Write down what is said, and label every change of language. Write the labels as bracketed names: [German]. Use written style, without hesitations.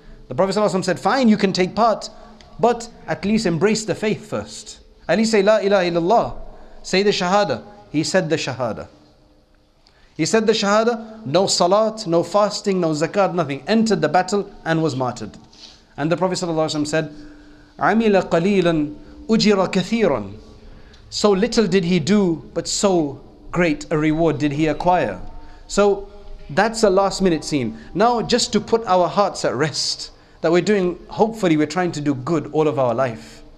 [English] The Prophet ﷺ said, fine, you can take part, but at least embrace the faith first. At least say, La ilaha illallah. Say the Shahada. He said the Shahada. He said the Shahada, no salat, no fasting, no zakat, nothing. Entered the battle and was martyred. And the Prophet ﷺ said, [Arabic] عَمِلَ قَلِيلًا أُجِرَ كَثِيرًا. [English] So little did he do, but so great a reward did he acquire. So that's a last minute scene. Now, just to put our hearts at rest, that we're doing, hopefully we're trying to do good all of our life.